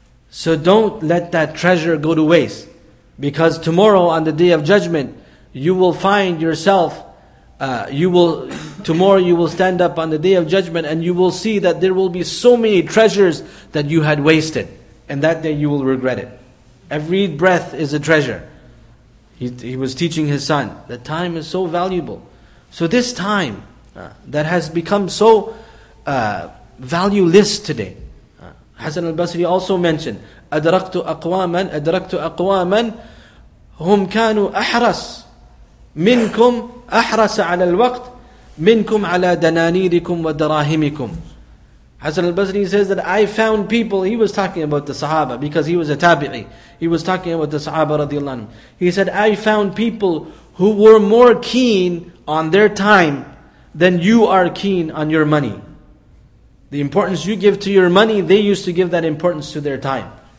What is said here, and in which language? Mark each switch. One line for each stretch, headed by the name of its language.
English: So don't let that treasure go to waste. Because tomorrow on the Day of Judgment, you will find yourself, tomorrow you will stand up on the Day of Judgment and you will see that there will be so many treasures that you had wasted. And that day you will regret it. Every breath is a treasure. He was teaching his son that time is so valuable. So this time that has become so valueless today. Hasan al-Basri also mentioned,
Arabic: أَدْرَكْتُ أَقْوَامًا هُمْ كَانُوا أَحْرَسْ مِنْكُمْ أَحْرَسَ عَلَى الْوَقْتِ مِنْكُمْ عَلَى دَنَانِيرِكُمْ وَدَرَاهِمِكُمْ.
English: Hasan al-Basri says that I found people, he was talking about the Sahaba because he was a Tabi'i. He was talking about the Sahaba radiallahu anhu. He said, I found people who were more keen on their time than you are keen on your money. The importance you give to your money, they used to give that importance to their time.